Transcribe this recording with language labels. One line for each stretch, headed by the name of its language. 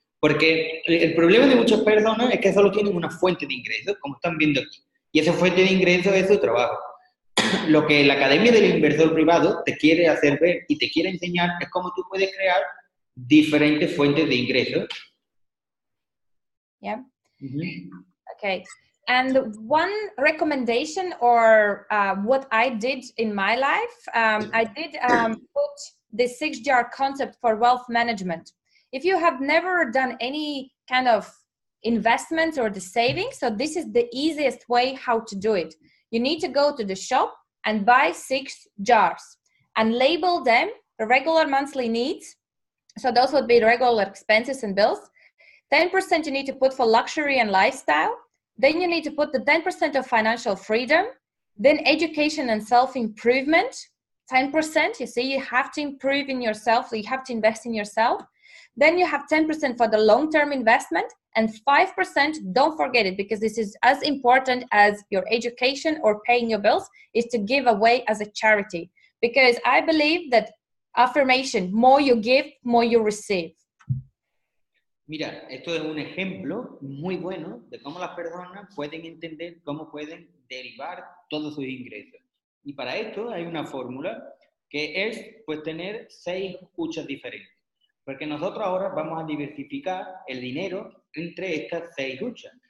Spanish: Porque el problema de muchas personas es que solo tienen una fuente de ingresos, como están viendo aquí. Y esa fuente de ingresos es su trabajo. Lo que la Academia del Inversor Privado te quiere hacer ver y te quiere enseñar es cómo tú puedes crear diferentes fuentes de ingresos.
English: Yeah. Mm-hmm. Okay. And one recommendation or what I did in my life, I did put the 6-jar concept for wealth management. If you have never done any kind of investment or the savings, so this is the easiest way how to do it. You need to go to the shop, and buy 6 jars and label them regular monthly needs. So those would be regular expenses and bills. 10% you need to put for luxury and lifestyle. Then you need to put the 10% of financial freedom. Then education and self-improvement, 10%. You see, you have to improve in yourself. So you have to invest in yourself. Then you have 10% for the long-term investment. And 5%, don't forget it, because this is as important as your education or paying your bills, is to give away as a charity. Because I believe that affirmation, more you give, more you receive.
Spanish: Mira, esto es un ejemplo muy bueno de cómo las personas pueden entender cómo pueden derivar todos sus ingresos. Y para esto hay una fórmula que es, pues, tener 6 cuchas diferentes. Porque nosotros ahora vamos a diversificar el dinero entre estas 6 huchas.